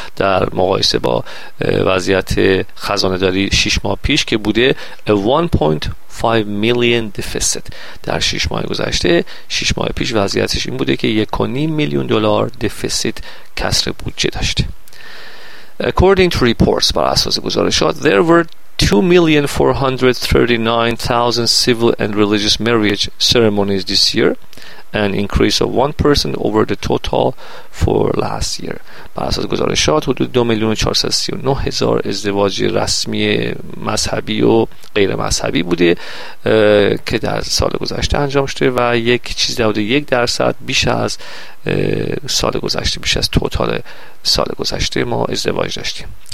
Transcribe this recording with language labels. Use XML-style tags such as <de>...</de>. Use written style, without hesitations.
<fa>در مقایسه با وضعیت خزانه داری 6 ماه پیش که بوده 1.5 میلیون دفیسیت. در 6 ماه گذشته، 6 ماه پیش وضعیتش این بوده که 1.5 میلیون دلار دفیسیت کسر بودجه داشته.</fa> <en>According to reports,</en> <fa>بر اساس گزارشات،</fa> <en>there were 2,439,000 civil and religious marriage ceremonies this year, an increase of 1% over the total for last year.</en> <fa>بر اساس گزارشات حدود 2,439,000 ازدواج رسمی مذهبی و غیر مذهبی بوده که در سال گذشته انجام شده و یک چیز در حدود 1% بیش از سال گذشته، بیش از توتال سال گذشته ما ازدواج داشتیم.</fa>